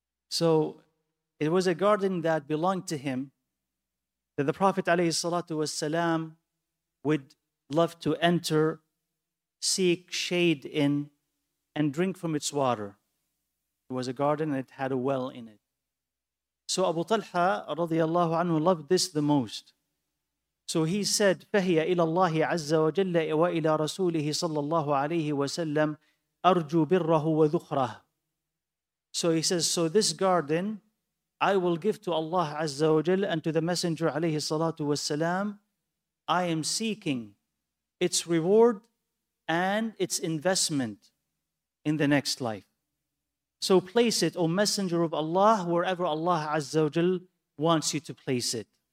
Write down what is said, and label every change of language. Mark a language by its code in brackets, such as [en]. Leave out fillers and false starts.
[en] So it was a garden that belonged to him that the Prophet alayhi salatu wasalam would love to enter, seek shade in, and drink from its water. It was a garden and it had a well in it. So Abu Talha radiallahu anhu loved this the most. So he said, [ar] فَهِيَ إِلَى اللَّهِ عَزَّ وَجَلَّ وَإِلَى رَسُولِهِ صَلَّى اللَّهُ عَلَيْهِ وَسَلَّمْ أَرْجُو بِرَّهُ وَذُخْرَهُ. [en] So he says, so this garden I will give to Allah Azza wa Jalla and to the Messenger alayhi salatu wasalam. I am seeking its reward and its investment in the next life. So place it, O Messenger of Allah, wherever Allah Azza wa Jal wants you to place it.